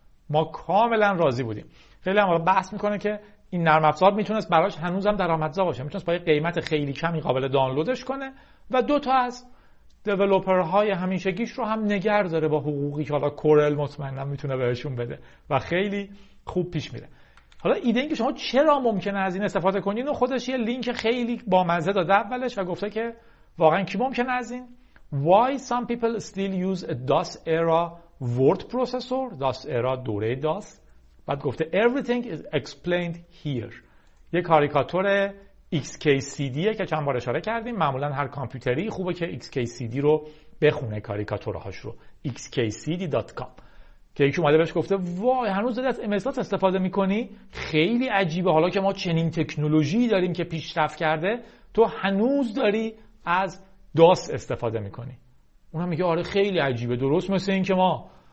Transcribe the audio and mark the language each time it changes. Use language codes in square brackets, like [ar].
[fa] ما کاملا راضی بودیم. خیلی هم بحث میکنه که این نرم افزار میتونست براش هنوز هم درآمدزا باشه، میتونست با یه قیمت خیلی کمی قابل دانلودش کنه و دوتا از دیولوپرهای همیشگیش رو هم نگر داره با حقوقی که حالا کورل مطمئنا میتونه بهشون بده و خیلی خوب پیش میره. حالا ایده این که شما چرا ممکنه از این استفاده کنین و خودش یه لینک خیلی بامزه داده اولش و گفته که واقعا کی ممکنه از این [en] Why some people still use a DOS era word processor. [fa] DOS era دوره DOS. بعد گفته [en] Everything is explained here. [fa] یه کاریکاتور XKCD که چند بار اشاره کردیم. معمولا هر کامپیوتری خوبه که XKCD رو بخونه، کاریکاتورهاش رو، XKCD.com، که یکی اومده بهش گفته وای هنوز داری از MS-DOS استفاده میکنی؟ خیلی عجیبه، حالا که ما چنین تکنولوژی داریم که پیشرفت کرده، تو هنوز داری از DOS استفاده میکنی؟ اونم میگه آره خیلی عجیبه، درست مثل این که ما